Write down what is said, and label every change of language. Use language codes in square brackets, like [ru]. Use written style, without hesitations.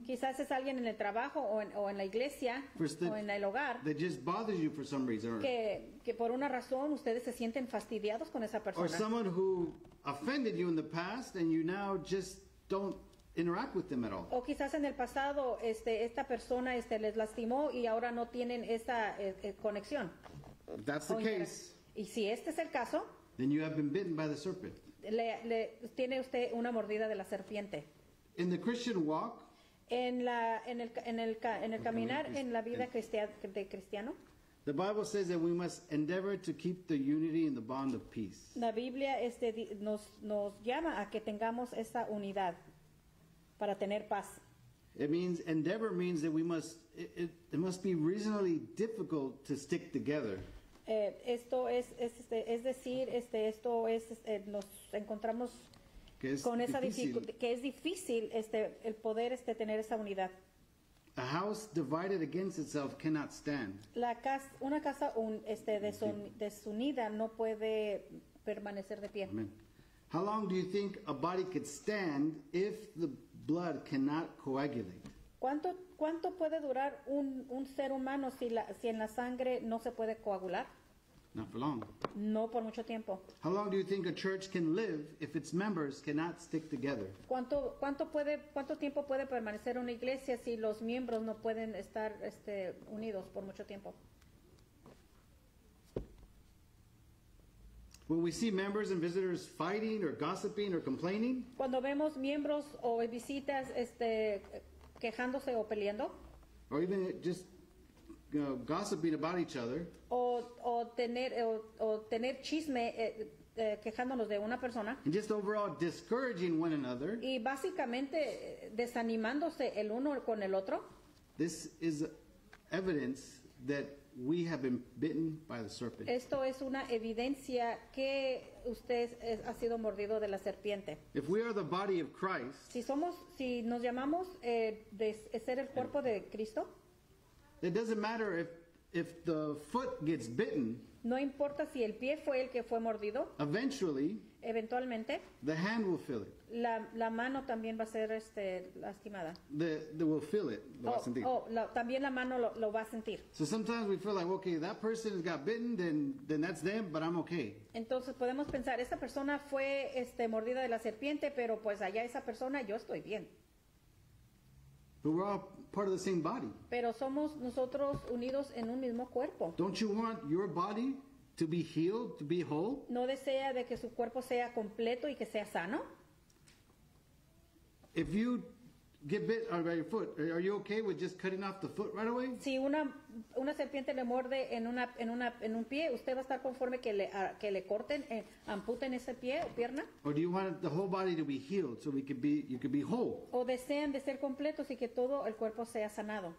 [es] Quizás es alguien en el trabajo o en la iglesia o en el hogar. [en] That just bothers you for some reason. [es] Que por una razón ustedes se sienten fastidiados con esa persona. [en] Or someone who offended you in the past and you now just don't interact with them at all. [es] O quizás en el pasado esta persona les lastimó y ahora no tienen esa conexión. [en] That's the case. [es] Y si este es el caso, [en] then you have been bitten by the serpent. [es] Le tiene usted una mordida de la serpiente. [en] In the Christian walk, [es] en el caminar en la vida de cristiano, [en] the Bible says that we must endeavor to keep the unity and the bond of peace. [es] La Biblia nos llama a que tengamos esa unidad. Para tener paz. [en] It means endeavor means that we must it must be reasonably difficult to stick together. [es] Esto es decir, esto es nos encontramos que es con difícil. Esa dificultad, que es difícil el poder tener esa unidad. [en] A house divided against itself cannot stand. [es] Una casa desunida no puede permanecer de pie. [en] Amen. How long do you think a body could stand if the blood cannot coagulate? [es] ¿Cuánto puede durar un ser humano si en la sangre no se puede coagular? [en] Not for long. [es] No por mucho tiempo. [en] How long do you think a church can live if its members cannot stick together? [es] ¿Cuánto tiempo puede permanecer una iglesia si los miembros no pueden estar unidos por mucho tiempo? [en] When we see members and visitors fighting or gossiping or complaining, [es] cuando vemos miembros o visitas quejándose o peleando, [en] or even just gossiping about each other, [es] o tener chisme quejándonos de una persona, [en] and just overall discouraging one another, [es] y básicamente desanimándose el uno con el otro, [en] this is evidence that we have been bitten by the serpent. [es] Esto es una evidencia que usted ha sido mordido de la serpiente. [en] If we are the body of Christ, [es] si nos llamamos de ser el cuerpo de Cristo, [en] it doesn't matter if the foot gets bitten. [es] No importa si el pie fue el que fue mordido. [en] Eventually, [es] eventualmente, [en] the hand will feel it. [es] La mano también va a ser lastimada. [en] They will feel it. [es] Lo va a sentir. También la mano lo va a sentir. [en] So sometimes we feel like, okay, that person has got bitten, then that's them, but I'm okay. [es] Entonces podemos pensar, esta persona fue mordida de la serpiente, pero pues allá esa persona, yo estoy bien. [en] But we're all part of the same body. [es] Pero somos nosotros unidos en un mismo cuerpo. [en] Don't you want your body to be healed, to be whole? [es] ¿No desea de que su cuerpo sea completo y que sea sano? [en] If you get bit by your foot, are you okay with just cutting off the foot right away? [es] Si una serpiente le muerde en un pie, ¿usted va a estar conforme que le corten, amputen ese pie o pierna? [en] Or do you want the whole body to be healed so you could be whole? [es] ¿O desean de ser completos y que todo el cuerpo sea sanado?